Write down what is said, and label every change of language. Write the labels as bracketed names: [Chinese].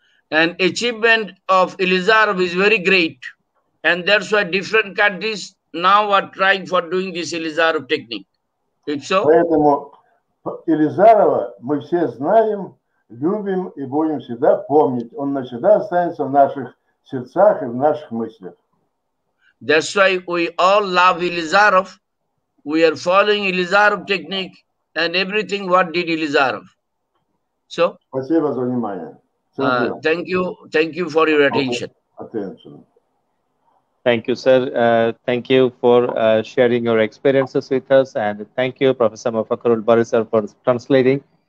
[English] And achievement of Ilizarov is very great, and that's why different countries now are trying for doing this Ilizarov technique. If so. [Russian] Поэтому Ilizarova мы все знаем, любим и будем всегда помнить. Он навсегда останется в наших сердцах и в наших мыслях. [English] That's why we all love Ilizarov. We are following Ilizarov technique and everything what did Ilizarov. So? [Russian] Спасибо за внимание. [English] Thank you for your attention. Attention. Thank you, sir. Thank you for sharing your experiences with us. And thank you, Professor Mofakarul Bari, sir, for translating.